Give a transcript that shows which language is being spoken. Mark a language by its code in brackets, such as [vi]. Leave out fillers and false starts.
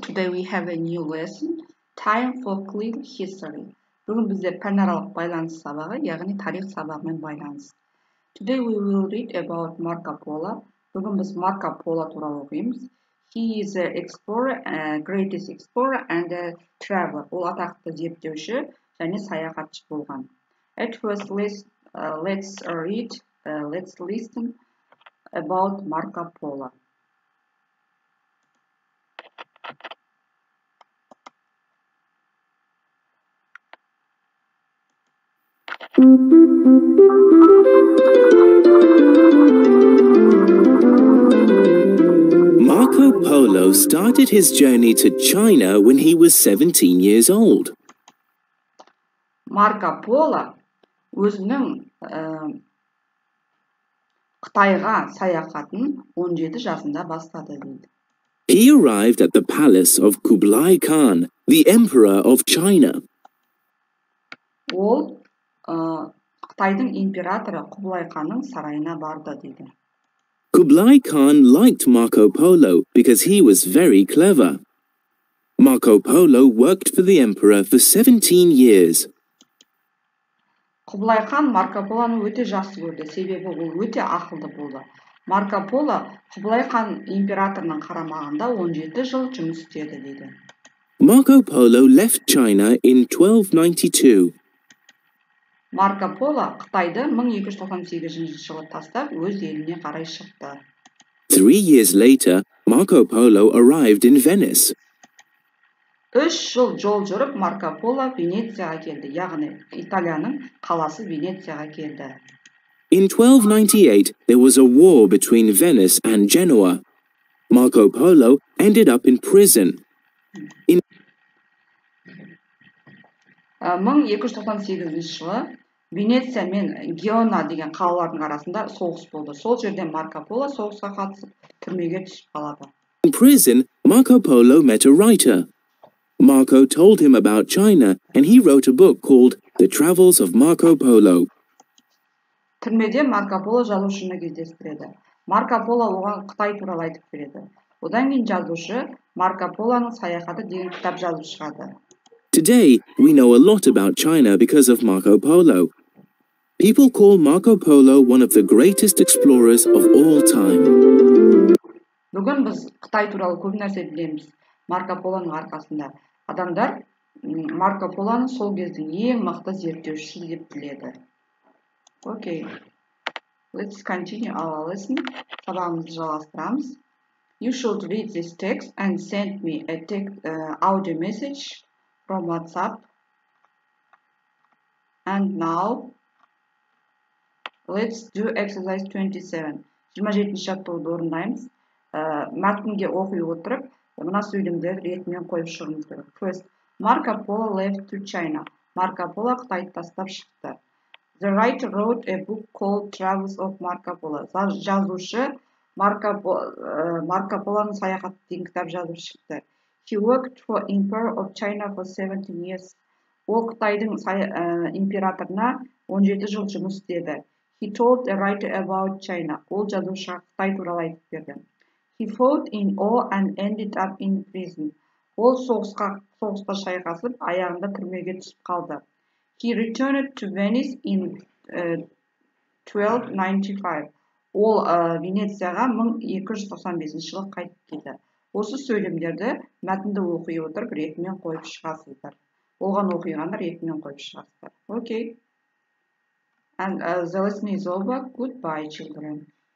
[en] Today we have a new lesson, Time for Clean History. [kk] Бүгін бізде пәнаралық байланыс сабағы, яғни тарих сабағымен байланыс. [en] Today we will read about Marco Polo. [kk] Бүгін біз Marco Polo туралы оқимыз. [en] He is an explorer, a greatest explorer and a traveler. [kk] Ол атақты зерттеуші және саяхатшы болған. [en] At first, let's listen about Marco Polo. Marco Polo started his journey to China when he was 17 years old. [kk] Marco Polo өзінің Қытайға саяхатын 17 жасында бастады дейді. [en] He arrived at the palace of Kublai Khan, the emperor of China. [kk] Ол Қытайдың императоры Кублай ханның сарайына барды деді. [en] Kublai Khan liked Marco Polo because he was very clever. Marco Polo worked for the emperor for 17 years. [kk] Кублай хан Марко Полоны өте жақсы көрді, себебі ол өте ақылды болды. Марко Поло Кублай хан императорының қарамағында 17 жыл жұмыс істеді деді. [en] Marco Polo left China in 1292. [kk] Marco Polo Қытайды 1298 жылы тастап өз еліне қарай шықты. [en] 3 years later, Marco Polo arrived in Venice. [kk] 3 жыл жол жүріп Marco Polo Венецияға келді, яғни Италияның қаласы Венецияға келді. [en] In 1298, there was a war between Venice and Genoa. Marco Polo ended up in prison. [kk] 1298 жылы Венеция мен Геона деген қалалардың арасында соғыс болды. Сол жерден Марко Поло соғысқа қатысып, түрмеге түсіп қалады. [en] In prison, Marco Polo met a writer. Marco told him about China and he wrote a book called The Travels of Marco Polo. [kk] Түрмеде Марко Поло жазушыны кездестіреді. Марко Поло оған Қытай туралы айтып береді. Одан кейін жазушы Марко Полоның саяхаты деген кітап жазып шығады. [en] Today, we know a lot about China because of Marco Polo. People call Marco Polo one of the greatest explorers of all time. [kk] Бүгін біз Қытай туралы көп нәрсе білеміз. Марко Полоның арқасында адамдар Марко Полоны сол кездің ең мықты зерттеушісі деп біледі. [en] Okay. Let's continue our lesson. [kk] Сабағымызды жалғастырамыз. [en] You should read this text and send me a text audio message from WhatsApp. And now let's do exercise 27. [kk] 27-ші жаттығуды орындаймыз. Мәтінге оқи отырып, мына сөйлемдерді ретімен қойып шығыңыз керек. [en] First, Marco Polo left to China. [kk] Marco Polo Қытайды тастап шықты. [en] The writer wrote a book called Travels of Marco Polo. [kk] Жазушы Marco Polo-ның саяхаты деген кітап жазып шықты. [en] He worked for Emperor of China for 17 years. [kk] Ол Қытайдың императорына 17 жыл жұмыс істеді. [en] He told a writer about China. [kk] Ол жазушыға Қытай туралы айтып берді. [en] He fought in war and ended up in prison. [kk] Ол соғыста шайқасып, аяғында түрмеге түсіп қалды. [en] He returned to Venice in 1295. [kk] Ол Венецияға 1295 жылы қайтып келді. Осы сөйлемдерді мәтінді оқи отырып, ретімен қойып шығасыздар. Оған оқиғанды ретімен қойып шығасыздар. [en] Okay. And the lesson is over. Goodbye, children.